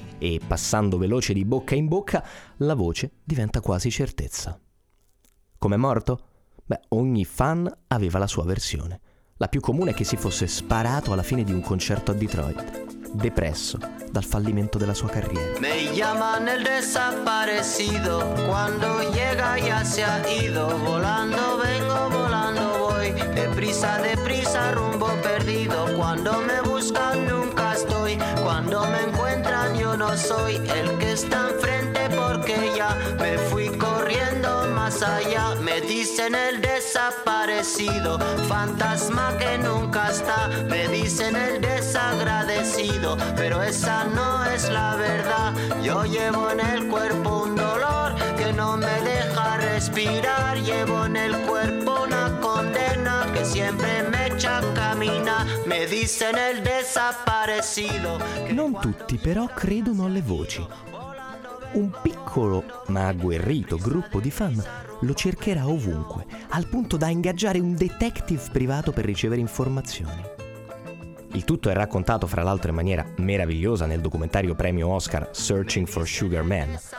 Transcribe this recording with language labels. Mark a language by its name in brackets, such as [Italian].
[Italian] E passando veloce di bocca in bocca, la voce diventa quasi certezza. Com'è morto? Beh, ogni fan aveva la sua versione. La più comune è che si fosse sparato alla fine di un concerto a Detroit, depresso dal fallimento della sua carriera. [Spanish] Me llaman el desaparecido, cuando llega ya se ha ido, volando vengo, volando voy, deprisa, deprisa, rumbo perdido, cuando me buscan nunca estoy, cuando me encuentran yo no soy el que está enfrente porque ya me fui corriendo más allá. Me dicen el desaparecido, fantasma que nunca está, me dicen el desagradecido, pero esa no es la verdad. Yo llevo en el cuerpo un dolor que no me deja respirar, llevo en el cuerpo una condena que siempre me echa a caminar, me dicen el desaparecido. [Italian] Non tutti però credono alle voci. Un piccolo ma agguerrito gruppo di fan lo cercherà ovunque, al punto da ingaggiare un detective privato per ricevere informazioni. Il tutto è raccontato, fra l'altro, in maniera meravigliosa nel documentario premio Oscar Searching for Sugar Man.